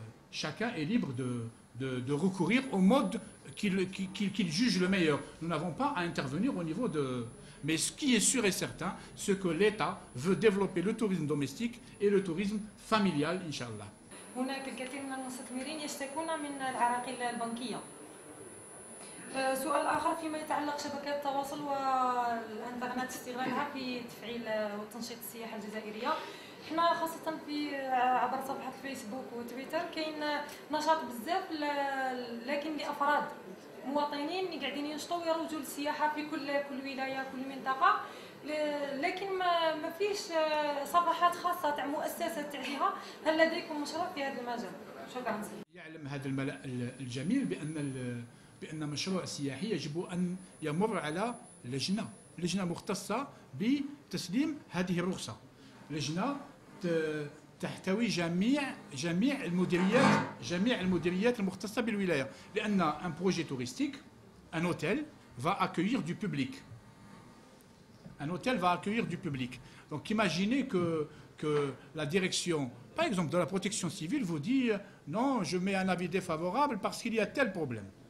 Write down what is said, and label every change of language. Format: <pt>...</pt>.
<fr>Chacun est libre de recourir au mode qu'il juge le meilleur. Nous n'avons pas à intervenir au niveau de... Mais ce qui est sûr et certain, c'est que l'État veut développer le tourisme domestique et le tourisme familial, Inch'Allah. Il y a beaucoup de mustathmirines qui sont des banquiers.</fr> <ar>سؤال آخر فيما يتعلق شبكات التواصل والإنترنت استغلالها في تفعيل وتنشيط السياحة الجزائرية. إحنا خاصة في عبر صفحة فيسبوك وتويتر كاين نشاط بزاف، لكن لأفراد مواطنين اللي قاعدين ينشطوا ويروجوا للسياحة في كل ولاية كل منطقة، لكن ما فيش صفحات خاصة تاع مؤسسة تعنيها. هل لديكم مشروع في هذا المجال؟ شكرا. يعلم هذا الملأ الجميل بأن مشروع سياحي يجب أن يمر على لجنة مختصة بتسليم هذه الرخصة. لجنة تحتوي جميع المديريات المختصة بالولاية، لأن</ar> <fr>un projet touristique, un hôtel va accueillir du public. Un hôtel va accueillir du public. Donc imaginez que la direction, par exemple de la protection civile, vous dit non, je mets un avis défavorable parce qu'il y a tel problème.</fr>